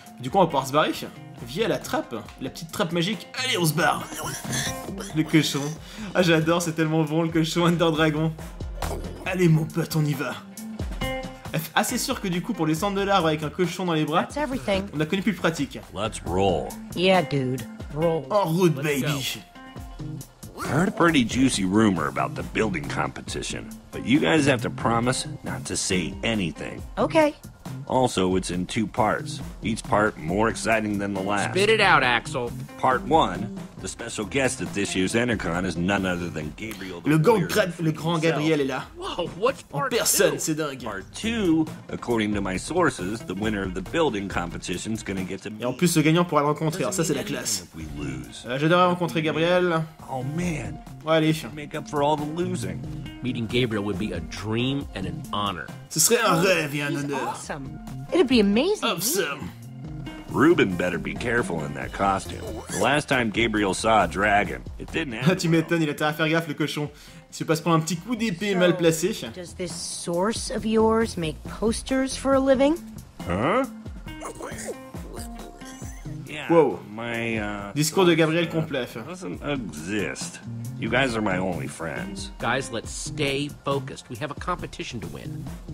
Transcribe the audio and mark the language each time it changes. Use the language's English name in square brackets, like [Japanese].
[French] Du coup, on va pouvoir se barrer. Via la trappe. La petite trappe magique. Allez, on se barre. Le cochon. Ah, j'adore, c'est tellement bon, le cochon Ender Dragon. Allez, mon pote, on y va. Assez sûr que du coup, pour descendre de l'arbre avec un cochon dans les bras, on a connu plus pratique. [English] Let's roll. Yeah, dude. Roll. [French] En route, [English] baby. Go. I heard a pretty juicy rumor about the building competition, but you guys have to promise not to say anything. Okay. Also, it's in two parts, each part more exciting than the last. Spit it out, Axel. Part one, the special guest at this year's Entercon is none other than Gabriel. [French] Le grand Gabriel est là. [English] Wow, what's part [French] en personne, c'est dingue. [English] Part two, according to my sources, the winner of the building competition is gonna get to meet. [French] Et en plus, le gagnant pourra le rencontrer, alors ça c'est la classe. J'adorerais rencontrer Gabriel. [English] Oh man. [French] Ouais, allez. [English] Make up for all the losing. Meeting Gabriel would be a dream and an honor. [French] Ce serait un rêve et un honneur. [English] Awesome. It'd be amazing. Awesome. Ruben better be careful in that costume. The last time Gabriel saw a dragon, it didn't happen. [French] Tu m'étonnes, il a tard à faire gaffe, le cochon. Il se passe pour un petit coup d'épée mal placé. [English] Does this source of yours make posters for a living? Huh? Wow. My, [French] discours de Gabriel complet. [English] Doesn't exist. You guys are my only friends. Guys, let's stay focused. We have a competition to win.